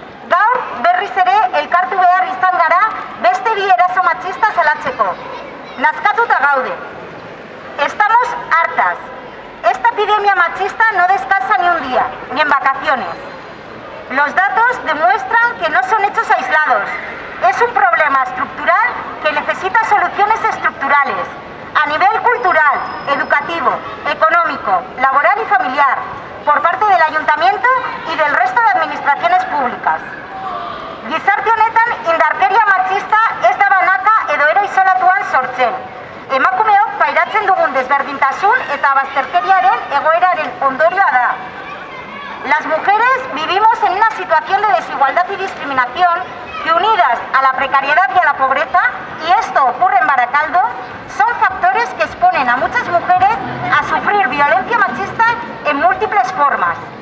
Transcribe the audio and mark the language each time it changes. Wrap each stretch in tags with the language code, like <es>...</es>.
<eu>Gaur berriz ere elkartu behar izan gara beste bi eraso matxista salatzeko. Nazkatuta gaude.</eu> <es>Estamos hartas. Esta epidemia machista no descansa ni un día, ni en vacaciones. Los datos demuestran que no son hechos aislados. Es un problema estructural que necesita soluciones estructurales a nivel cultural, educativo, económico, laboral y familiar por parte del ayuntamiento y del resto de administraciones públicas.</es> <eu>Gizarte honetan indarkeria machista ez da banaka edo era isolatuan sortzen. Emakumeok pairatzen dugun desberdintasun eta bazterkeriaren egoeraren ondorioa da.</eu> <es>Las mujeres vivimos en una situación de desigualdad y discriminación que unidas a la precariedad y a la pobreza, y esto ocurre en Barakaldo, son factores que exponen a muchas mujeres a sufrir violencia machista en múltiples formas.</es>